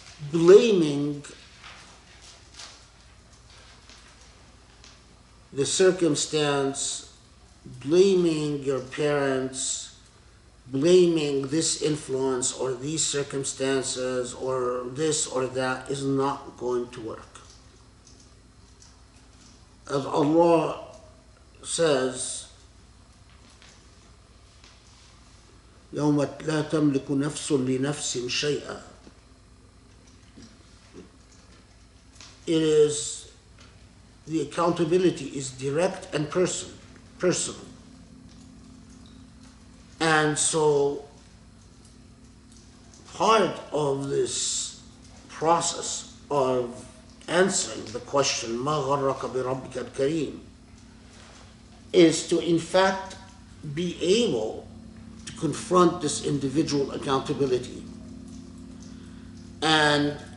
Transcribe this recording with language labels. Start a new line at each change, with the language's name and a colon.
English: Blaming the circumstance, blaming your parents, blaming this influence or these circumstances or this or that is not going to work. As Allah says,
Arabic: يوم لا تملك نفس لنفس شيئا.
English: It is, the accountability is direct and personal. And so part of this process of answering the question,
Arabic: مَا غَرَّكَ بِرَبِّكَ الْكَرِيمِ,
English: is to in fact be able to confront this individual accountability and